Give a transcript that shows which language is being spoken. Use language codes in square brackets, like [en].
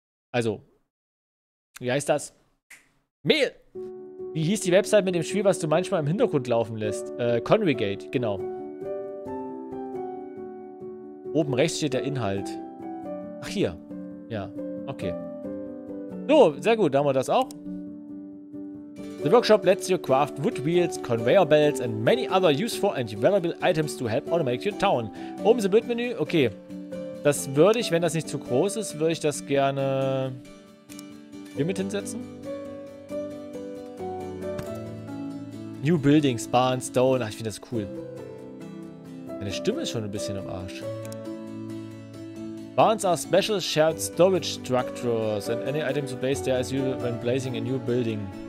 [de] Also, wie heißt das? Mehl! Wie hieß die Website mit dem Spiel, was du manchmal im Hintergrund laufen lässt? Congregate, genau. Oben rechts steht der Inhalt. Ach, hier. Ja, okay. So, sehr gut, da haben wir das auch. [en] The workshop lets you craft wood wheels, conveyor belts and many other useful and valuable items to help automate your town. [de] Oben ist ein Bildmenü. Okay. Das würde ich, wenn das nicht zu groß ist, würde ich das gerne hier mit hinsetzen. [en] New buildings, barn, stone. [de] Ach, ich finde das cool. Meine Stimme ist schon ein bisschen im Arsch. [en] Barns are special shared storage structures and any items you place there as you when placing a new building.